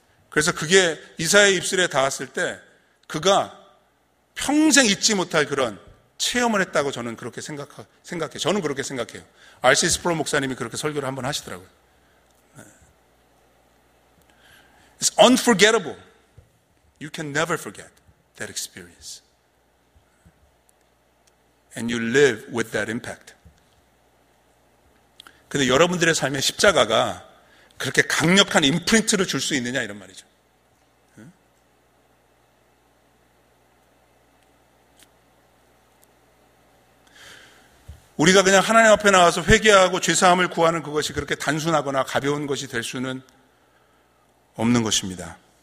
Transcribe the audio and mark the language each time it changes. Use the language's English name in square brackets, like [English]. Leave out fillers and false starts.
[Korean] 그래서 그게 이사야의 입술에 닿았을 때 그가 평생 잊지 못할 그런 체험을 했다고 저는 그렇게 생각해요. 저는 그렇게 생각해요. RC 스프로 목사님이 그렇게 설교를 한번 하시더라고요. [English] It's unforgettable. You can never forget that experience. And you live with that impact. [Korean] 근데 여러분들의 삶에 십자가가 그렇게 강력한 임프린트를 줄 수 있느냐 이런 말이죠. 우리가 그냥 하나님 앞에 나와서 회개하고 죄사함을 구하는 그것이 그렇게 단순하거나 가벼운 것이 될 수는 없는 것입니다.